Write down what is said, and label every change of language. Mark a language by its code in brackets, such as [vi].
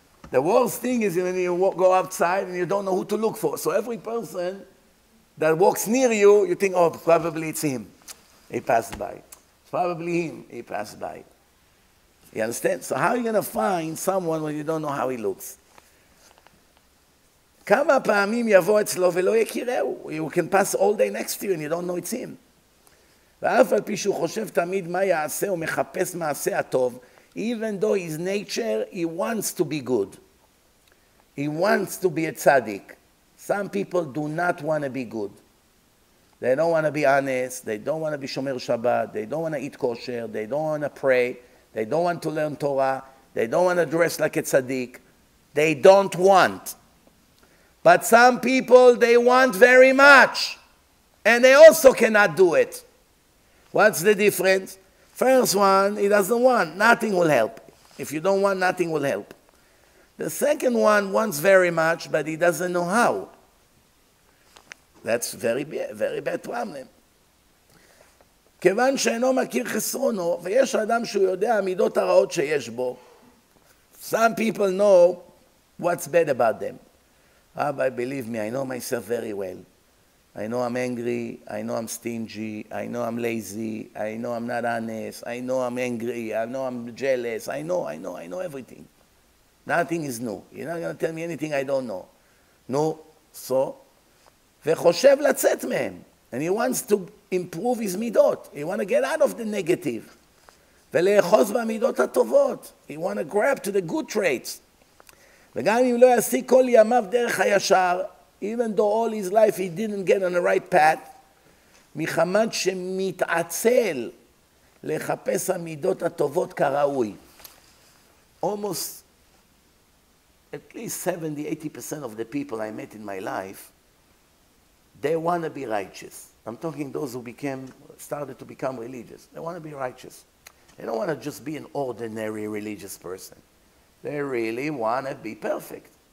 [en] The worst thing is when you go outside and you don't know who to look for. So every person that walks near you, you think, oh, probably it's him. He passed by. It's probably him. He passed by. You understand? So how are you going to find someone when you don't know how he looks? [he] כמה פעמים יבוא אצלו ולא יכירהו? [en] You can pass all day next to you and you don't know it's him. [he] ואף על פי שהוא חושב תמיד מה יעשה, הוא מחפש מעשה הטוב, [en] even though his nature, he wants to be good. He wants to be a tzaddik. Some people do not want to be good. They don't want to be honest. They don't want to be shomer Shabbat. They don't want to eat kosher. They don't want to pray. They don't want to learn Torah. They don't want to dress like a tzaddik. They don't want. But some people, they want very much. And they also cannot do it. What's the difference? First one, he doesn't want. Nothing will help. If you don't want, nothing will help. The second one wants very much, but he doesn't know how. That's very, very bad problem. [he] כיוון שאינו מכיר חסרונו, ויש אדם שהוא יודע המידות הרעות שיש בו. [en] Some people know what's bad about them. Rabbi, believe me, I know myself very well. I know I'm angry, I know I'm stingy, I know I'm lazy, I know I'm not honest, I know I'm angry, I know I'm jealous, I know everything. Nothing is new. You're not going to tell me anything I don't know. No, so? [he] וחושב לצאת מהם. [en] And he wants to improve his midot. He wants to get out of the negative. [he] ולאחוז במידות הטובות. [en] He wants to grab to the good traits. [he] וגם אם לא יעסיק כל ימיו דרך הישר, [en] even though all his life he didn't get on the right path, [he] מחמת שמתעצל לחפש המידות הטובות כראוי. [en] Almost at least 70-80% of the people I met in my life, they want to be righteous. I'm talking those who started to become religious. They want to be righteous. They don't want to just be an ordinary religious person. They really want to be perfect.